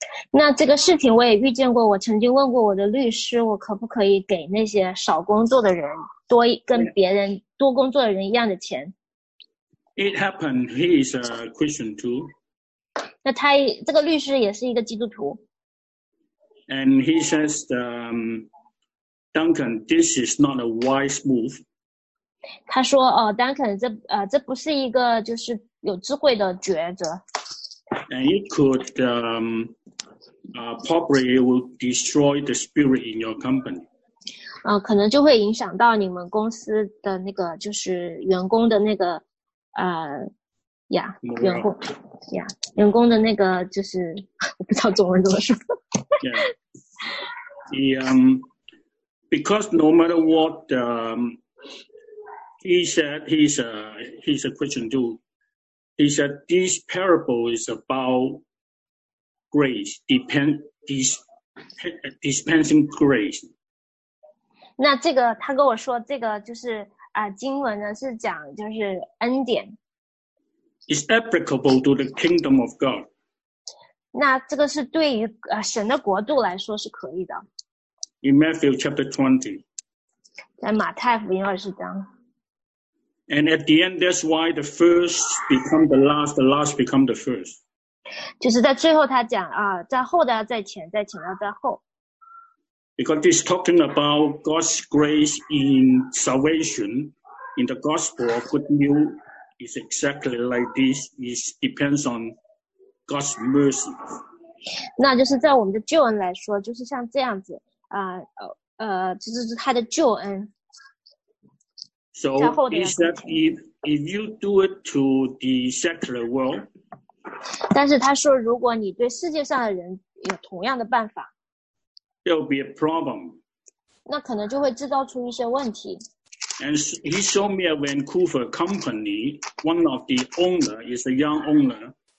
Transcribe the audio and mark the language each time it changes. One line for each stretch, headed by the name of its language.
Chinese: 那这个事情我也遇见过，我曾经问过我的律师，我可不可以给那些少工作的人多跟别人多工作的人一样的钱。
English: It happened, he is a Christian too.
Chinese: 那他这个律师也是一个基督徒。
English: And he says, Duncan, this is not a wise move.
Chinese: 他说，哦，Duncan, 这不是一个就是有智慧的抉择。
English: And it could, probably it will destroy the spirit in your company.
Chinese: 可能就会影响到你们公司的那个就是员工的那个员工员工的那个就是我不知道中文怎么说。
English: Yeah. Because no matter what, he said he's a Christian too. He said this parable is about grace, dispensing grace.
Chinese: 那这个他跟我说这个就是经文呢是讲就是恩典。
English: It's applicable to the kingdom of God.
Chinese: 那这个是对于神的国度来说是可以的。
English: In Matthew chapter 20.
Chinese: 在马太福音20章。
English: And at the end, that's why the first become the last become the first.
Chinese: 就是在最后他讲啊，在后的要在前，在前要在后。
English: Because he's talking about God's grace in salvation, in the gospel of good news, is exactly like this. It depends on God's mercy.
Chinese: 那就是在我们的救恩来说，就是像这样子啊，就是他的救恩。
English: So he said, if you do it to the secular world,
Chinese: 但是他说，如果你对世界上的人有同样的办法，
English: there will be a problem.
Chinese: 那可能就会制造出一些问题。
English: And he showed me a Vancouver company. One of the owner is a young owner.